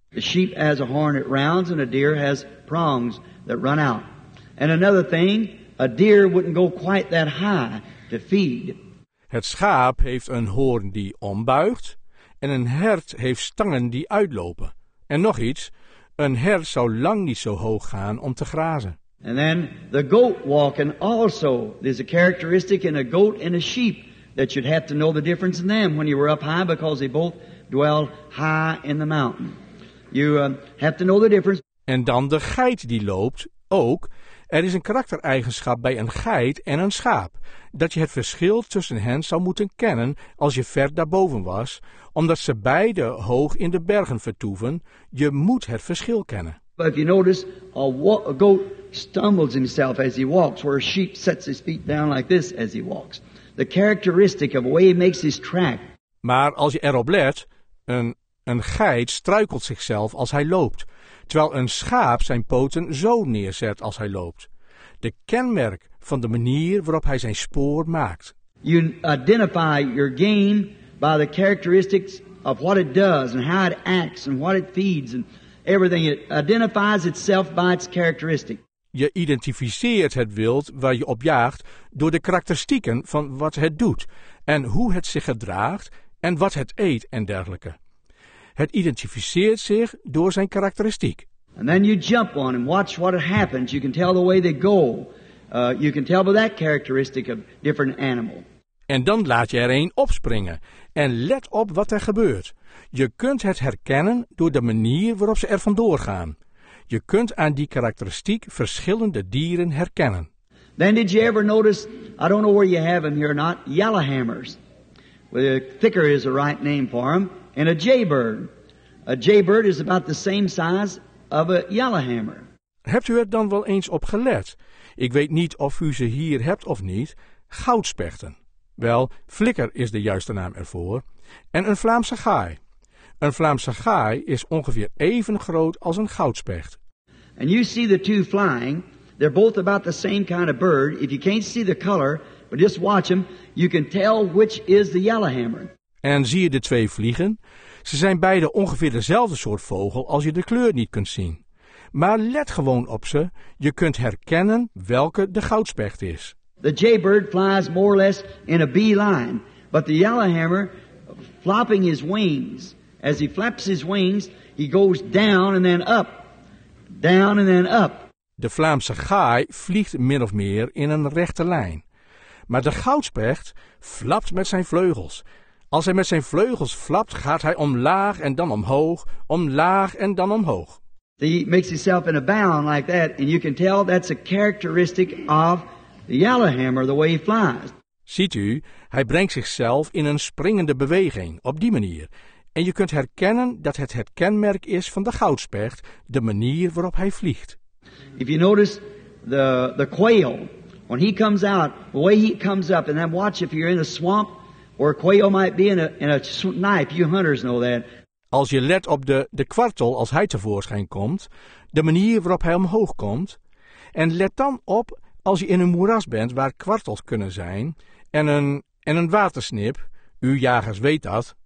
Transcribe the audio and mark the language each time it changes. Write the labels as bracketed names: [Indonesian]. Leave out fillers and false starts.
[English] The sheep has a horn that rounds and a deer has prongs that run out. And another thing, a deer wouldn't go quite that high to feed. [Dutch] Het schaap heeft een hoorn die ombuigt en een hert heeft stangen die uitlopen. En nog iets, een hert zou lang niet zo hoog gaan om te grazen. [English] And then the goat walking also, there's a characteristic in a goat and a sheep that you'd have to know the difference in them when you were up high because they both dwell high in the mountain. You have to know the difference. [Dutch] En dan de geit die loopt, ook. Er is een karaktereigenschap bij een geit en een schaap, dat je het verschil tussen hen zou moeten kennen als je ver daarboven was, omdat ze beide hoog in de bergen vertoeven. Je moet het verschil kennen. [English] But if you notice, a goat stumbles himself as he walks, where a sheep sets his feet down like this as he walks. The characteristic of the way he makes his track. [Dutch] Maar als je erop let, een geit struikelt zichzelf als hij loopt, terwijl een schaap zijn poten zo neerzet als hij loopt. De kenmerk van de manier waarop hij zijn spoor maakt. [English] You identify your game by the characteristics of what it does and how it acts and what it feeds and everything. It identifies itself by its characteristic. [Dutch] Je identificeert het wild waar je op jaagt door de karakteristieken van wat het doet en hoe het zich gedraagt en wat het eet en dergelijke. Het identificeert zich door zijn karakteristiek. [English] And then you jump on and watch what happens. You can tell the way they go. You can tell by that characteristic of different animal. [Dutch] En dan laat je er een opspringen en let op wat er gebeurt. Je kunt het herkennen door de manier waarop ze er vandoor gaan. Je kunt aan die karakteristiek verschillende dieren herkennen. [English] Then did you ever notice, I don't know where you have them here or not, yellowhammers. Well, thicker is the right name for them. And a jaybird. A jaybird is about the same size of a yellowhammer. [Dutch] Hebt u er dan wel eens op gelet? Ik weet niet of u ze hier hebt of niet. Goudspechten. Wel, flikker is de juiste naam ervoor. En een Vlaamse gaai. Een Vlaamse gaai is ongeveer even groot als een goudspecht. [English] And you see the two flying. They're both about the same kind of bird. If you can't see the color, but just watch them, you can tell which is the yellowhammer. [Dutch] En zie je de twee vliegen? Ze zijn beide ongeveer dezelfde soort vogel als je de kleur niet kunt zien. Maar let gewoon op ze. Je kunt herkennen welke de goudspecht is. [English] The jaybird flies more or less in a bee line, but the yellowhammer, flopping his wings, as he flaps his wings, he goes down and then up, down and then up. [Dutch] De Vlaamse gaai vliegt min of meer in een rechte lijn. Maar de goudspecht flapt met zijn vleugels. Als hij met zijn vleugels flapt, gaat hij omlaag en dan omhoog, omlaag en dan omhoog. [English] He makes himself in a bound like that, and you can tell that's a characteristic of the yellowhammer, the way he flies. [Dutch] Ziet u, hij brengt zichzelf in een springende beweging, op die manier. En je kunt herkennen dat het het kenmerk is van de goudspecht, de manier waarop hij vliegt. [English] If you notice the quail, when he comes out, the way he comes up, and then watch if you're in a swamp, where a quail might be in a knife, you hunters know that. [Dutch] Als je let op de kwartel als hij tevoorschijn komt, de manier waarop hij omhoog komt, en let dan op als je in een moeras bent waar kwartels kunnen zijn en een watersnip, u jagers weet dat.